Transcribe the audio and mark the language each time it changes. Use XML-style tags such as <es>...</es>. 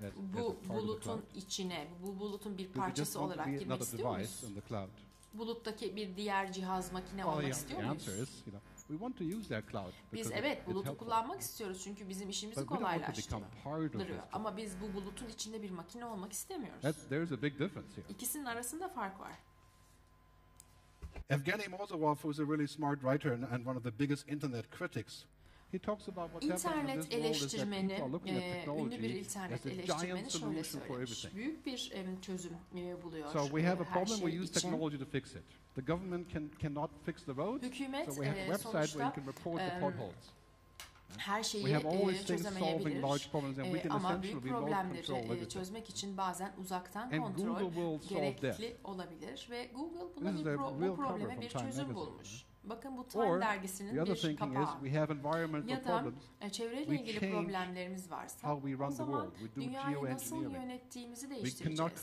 <tr>bu bulutun içine, bu bulutun bir parçası olarak girmek istiyor musunuz? Buluttaki bir diğer cihaz makine olmak istiyor musunuz?</tr> <en>We want to use their cloud.</en> <tr>Biz evet bulutu kullanmak istiyoruz çünkü bizim işimizi kolaylaştırıyor. Ama biz bu bulutun içinde bir makine olmak istemiyoruz.</tr> <en>There's a big difference here.</en> <tr>İkisinin arasında fark var.</tr> <en>Evgeny Morozov, who is a really smart writer and one of the biggest internet critics, he talks about what internet happens in this world is that people are looking at technology as a giant solution for everything.</en> <tr>Büyük bir çözüm buluyor.</tr> <en>So we have a problem.</en> <tr>Şey</tr> <en>we use technology</en> <tr>için.</tr> <en>To fix it. The government cannot fix the roads.</en> <tr>Hükümet,</tr> <en>so we have a website where you can report the potholes.</en> <tr>Her şeyi çözemeyebiliriz ama büyük problemleri çözmek için bazen uzaktan kontrol gerekli olabilir ve Google bu probleme bir çözüm bulmuş. Bakın bu Time dergisinin bir kapağı. Ya da çevreyle ilgili problemlerimiz varsa o zaman dünyayı nasıl yönettiğimizi değiştireceğiz.</tr>